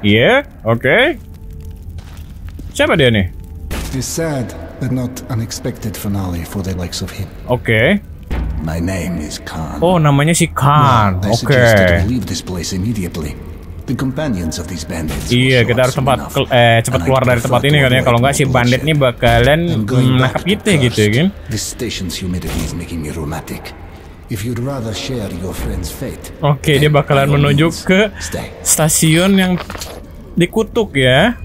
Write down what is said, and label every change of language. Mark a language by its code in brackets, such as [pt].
[id] Yeah, okay. Siapa dia nih? [en] He's sad, but not unexpected finale for the likes of him. Okay. My name is Khan. [id] Oh, namanya si Khan. [en] Now, I suggest you leave this place immediately. The companions of these bandits. [id] Iya, kita harus tempat cepat keluar dari tempat ini kan ya, kalau enggak si bandit ini bakalan nangkap kita gitu ya, kan. [en] This station's humidity is making me rheumatic. If you'd rather share your friend's fate. [id] Oke, dia bakalan menuju ke stasiun yang dikutuk ya.